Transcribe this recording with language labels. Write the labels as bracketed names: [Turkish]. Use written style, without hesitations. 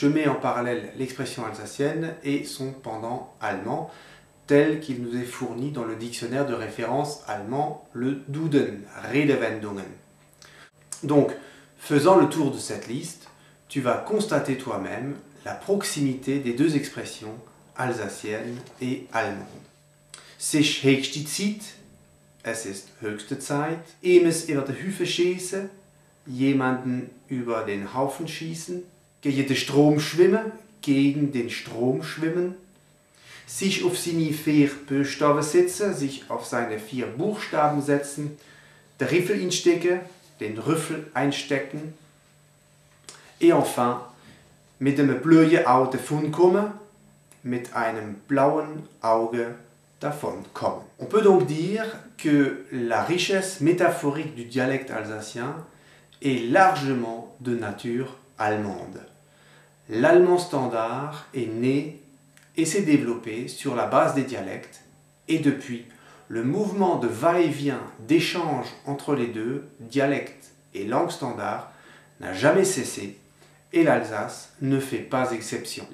[French] Je mets en parallèle l'expression alsacienne et son pendant allemand, tel qu'il nous est fourni dans le dictionnaire de référence allemand, le Duden, Redewendungen. Donc, faisant le tour de cette liste, tu vas constater toi-même la proximité des deux expressions alsacienne et allemande. [German] Sich höchste Zeit, es ist höchste Zeit, emes über der Hüfe schieße, jemanden über den Haufen schießen, gegen den Strom schwimmen, gegen den Strom schwimmen, sich auf seine vier Buchstaben setzen, sich auf seine vier Buchstaben setzen, der Riffel instecken, den Rüffel einstecken, [French] et enfin, [German] mit dem bleuen Auge davon kommen, mit einem blauen Auge davon kommen. [French] On peut donc dire que la richesse métaphorique du dialecte alsacien est largement de nature allemande. L'allemand standard est né et s'est développé sur la base des dialectes, et depuis, le mouvement de va-et-vient, d'échange entre les deux, dialecte et langue standard, n'a jamais cessé, et l'Alsace ne fait pas exception.